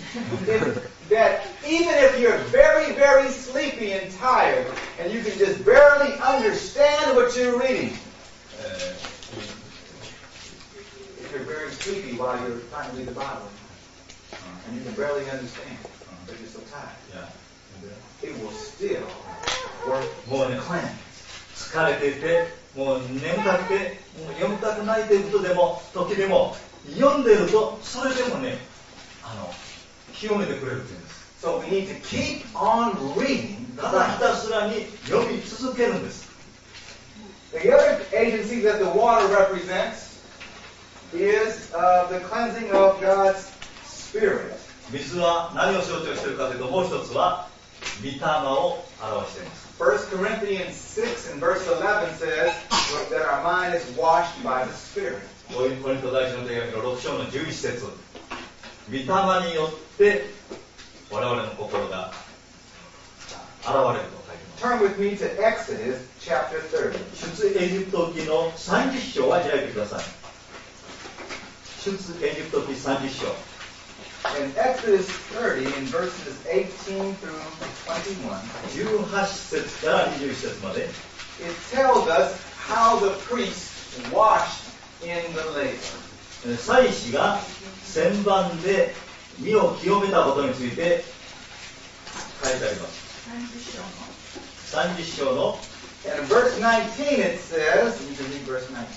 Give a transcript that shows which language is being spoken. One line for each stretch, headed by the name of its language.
English: that even if you're very, very sleepy and tired, and you can just barely understand what you're reading, if you're very sleepy while you're trying to read the Bible, and you can barely understand, but you're so tired, it will still work to cleanse.
Japanese: 疲れていて、もう眠たくて、もう読みたくないということでも、時でも、読んでると、それでもね、清めてくれるというんです。
English: So we need to keep on reading.
Japanese: ただひたすらに読み続けるんです。
English: The other agency that the water represents is the cleansing of God's Spirit.
Japanese: 水は何を象徴しているかというと、もう一つは御霊を表しています。
English: 1 Corinthians 6 and verse 11 says that our mind is washed by the Spirit.
Japanese: コリント第一の手紙の6章の11節、御霊によって我々の心が洗われると書いています。
English: Turn with me to Exodus chapter 30.
Japanese: 出エジプト記の30章を開いてください。出エジプト記30章。
English: In Exodus 30 in verses 18 through 21,
Japanese: 18節から21節まで、
English: it tells us how the priest washed in the lake.
Japanese: 祭司が洗盤で身を清めたことについて書いてあります。 30章の
English: And verse 19 it says, you can read verse